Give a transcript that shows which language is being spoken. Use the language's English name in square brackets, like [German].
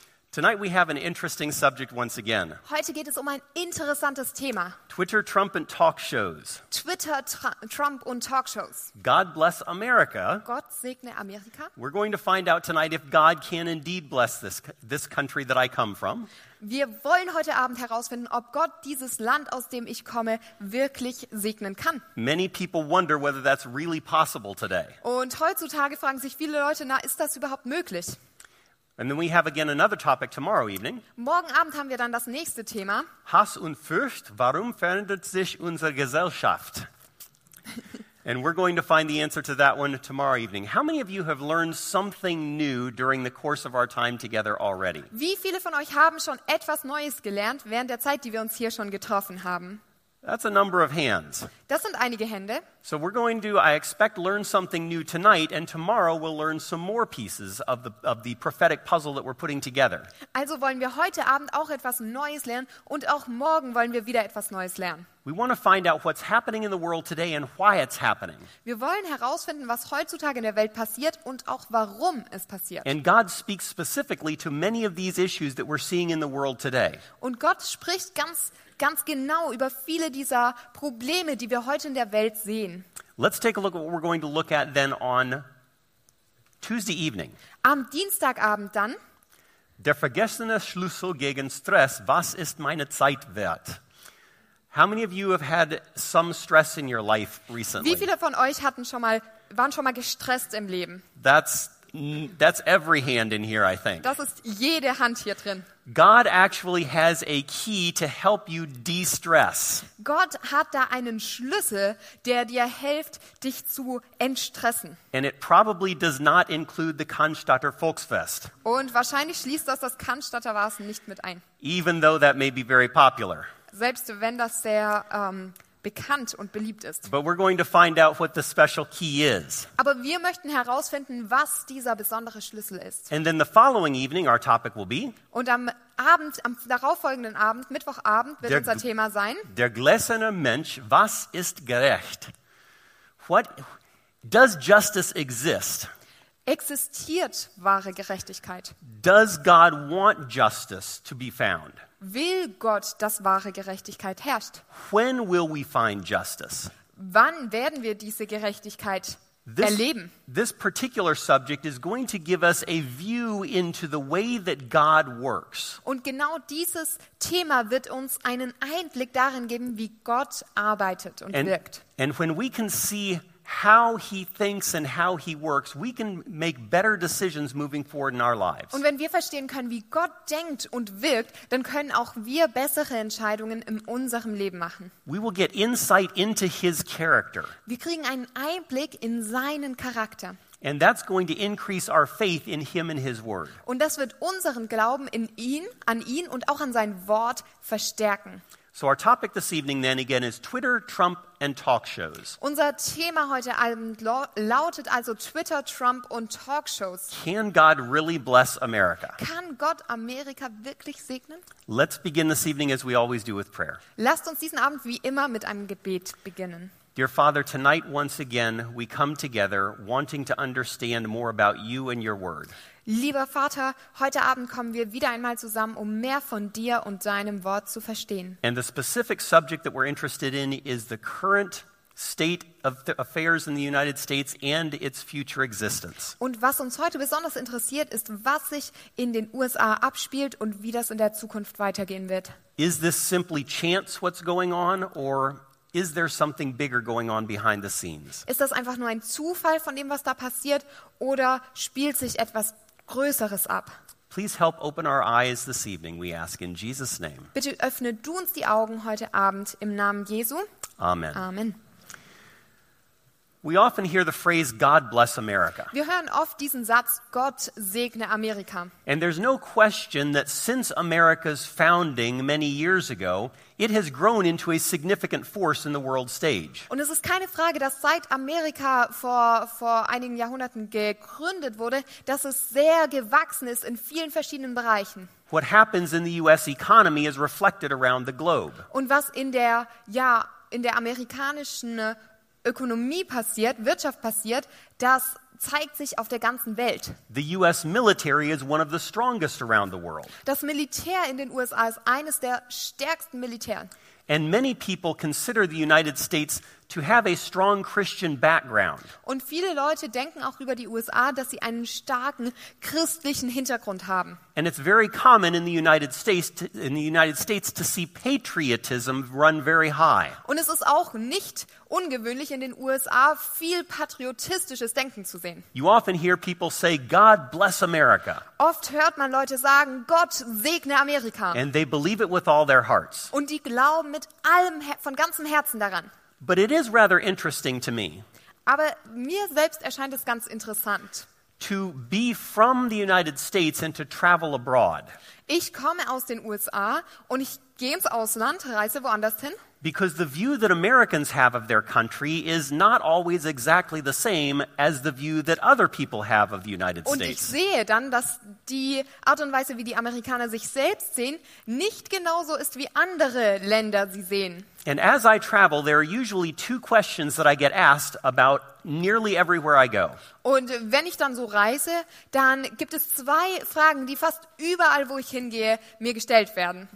[English] Tonight we have an interesting subject once again. [German] Heute geht es um ein interessantes Thema. [English] Twitter, Trump and talk shows. [German] Twitter, Trump und talk shows. [English] God bless America. [German] Gott segne Amerika. [English] We're going to find out tonight if God can indeed bless this country that I come from. [German] Wir wollen heute Abend herausfinden, ob Gott dieses Land, aus dem ich komme, wirklich segnen kann. [English] Many people wonder whether that's really possible today. [German] Und heutzutage fragen sich viele Leute, na, ist das überhaupt möglich? [English] And then we have again another topic tomorrow evening. [German] Morgen Abend haben wir dann das nächste Thema. Hass und Furcht, warum verändert sich unsere Gesellschaft? [English] And we're going to find the answer to that one tomorrow evening. How many of you have learned something new during the course of our time together already? [German] Wie viele von euch haben schon etwas Neues gelernt während der Zeit, die wir uns hier schon getroffen haben? [English] That's a number of hands. [German] Das sind einige Hände. [English] So we're going to, I expect, learn something new tonight, and tomorrow we'll learn some more pieces of the prophetic puzzle that we're putting together. [German] Also wollen wir heute Abend auch etwas Neues lernen, und auch morgen wollen wir wieder etwas Neues lernen. [English] We want to find out what's happening in the world today and why it's happening. [German] Wir wollen herausfinden, was heutzutage in der Welt passiert und auch warum es passiert. [English] And God speaks specifically to many of these issues that we're seeing in the world today. [German] Und Gott spricht ganz genau über viele dieser Probleme, die wir heute in der Welt sehen. [English] Let's take a look at what we're going to look at then on Tuesday evening. [German] Am Dienstagabend dann. Der vergessene Schlüssel gegen Stress. Was ist meine Zeit wert? [English] How many of you have had some stress in your life recently? [German] Wie viele von euch waren schon mal gestresst im Leben? [English] That's every hand in here, I think. [German] Das ist jede Hand hier drin. [English] God actually has a key to help you de-stress. [German] Gott hat da einen Schlüssel, der dir hilft, dich zu entstressen. [English] And it probably does not include the Cannstatter Volksfest. [German] Und wahrscheinlich schließt das Cannstatter Wasen nicht mit ein. [English] Even though that may be very popular. [German] Selbst wenn das sehr bekannt und beliebt ist. [English] But we're going to find out what the special key is. [German] Aber wir möchten herausfinden, was dieser besondere Schlüssel ist. [English] And then the following evening our topic will be. [German] Und am darauffolgenden Abend, Mittwochabend, wird unser Thema sein. Der gläserne Mensch, was ist gerecht? [English] What does justice exist? [German] Existiert wahre Gerechtigkeit? [English] Does God want justice to be found? [German] Will Gott, dass wahre Gerechtigkeit herrscht? [English] When will we find justice? [German] Wann werden wir diese Gerechtigkeit erleben? [English] This particular subject is going to give us a view into the way that God works. [German] Und genau dieses Thema wird uns einen Einblick darin geben, wie Gott arbeitet und wirkt. [English] And when we can see how he thinks and how he works, we can make better decisions moving forward in our lives. [German] Und wenn wir verstehen können, wie Gott denkt und wirkt, dann können auch wir bessere Entscheidungen in unserem Leben machen. [English] We will get insight into his character. [German] Wir kriegen einen Einblick in seinen Charakter. [English] And that's going to increase our faith in him and his word. [German] Und das wird unseren Glauben an ihn und auch an sein Wort verstärken. [English] So our topic this evening then again is Twitter, Trump and talk shows. [German] Unser Thema heute Abend lautet also Twitter, Trump und talk shows. [English] Can God really bless America? [German] Kann Gott Amerika wirklich segnen? [English] Let's begin this evening as we always do with prayer. [German] Lasst uns diesen Abend wie immer mit einem Gebet beginnen. [English] Dear Father, tonight once again we come together wanting to understand more about you and your word. [German] Lieber Vater, heute Abend kommen wir wieder einmal zusammen, um mehr von dir und deinem Wort zu verstehen. [English] And the specific subject that we're interested in is the current state of the affairs in the United States and its future existence. [German] Und was uns heute besonders interessiert, ist, was sich in den USA abspielt und wie das in der Zukunft weitergehen wird. [English] Is this simply chance what's going on, or is there something bigger going on behind the scenes? [German] Ist das einfach nur ein Zufall von dem, was da passiert, oder spielt sich etwas Größeres ab? [English] Please help open our eyes this evening, we ask in Jesus' name. [German] Bitte öffne du uns die Augen heute Abend im Namen Jesu. [English] Amen. [German] Amen. [English] We often hear the phrase God bless America. [German] Wir hören oft diesen Satz, Gott segne Amerika. [English] And there's no question that since America's founding many years ago, it has grown into a significant force in the world stage. [German] Und es ist keine Frage, dass seit Amerika vor einigen Jahrhunderten gegründet wurde, dass es sehr gewachsen ist in vielen verschiedenen Bereichen. [English] What happens in the US economy is reflected around the globe. [German] Und was in der amerikanischen Ökonomie passiert, Wirtschaft passiert, das zeigt sich auf der ganzen Welt. [English] The US military is one of the strongest around the world. [German] Das Militär in den USA ist eines der stärksten Militär. [English] And many people consider the United States to have a strong Christian background. [German] Und viele Leute denken auch über die USA, dass sie einen starken christlichen Hintergrund haben. [English] And it's very common in the United States to see patriotism run very high. [German] Und es ist auch nicht ungewöhnlich in den USA viel patriotistisches Denken zu sehen. [English] You often hear people say God bless America. [German] Oft hört man Leute sagen, Gott segne Amerika. [English] And they believe it with all their hearts. [German] Und die glauben mit allem von ganzem Herzen daran. [English] But it is rather interesting to me. [German] Aber mir selbst erscheint es ganz interessant. [English] To be from the United States and to travel abroad. [German] Ich komme aus den USA und ich gehe ins Ausland, reise woanders hin. [English] Because the view that Americans have of their country is not always exactly the same as the view that other people have of the United States. [German] Und ich sehe dann, dass die Art und Weise, wie die Amerikaner sich selbst sehen, nicht genauso ist, wie andere Länder sie sehen. [English] And as I travel, there are usually two questions that I get asked about nearly everywhere I go. [German] Und wenn ich dann so reise, dann gibt es zwei Fragen, die fast überall, wo ich hingehe, mir gestellt werden.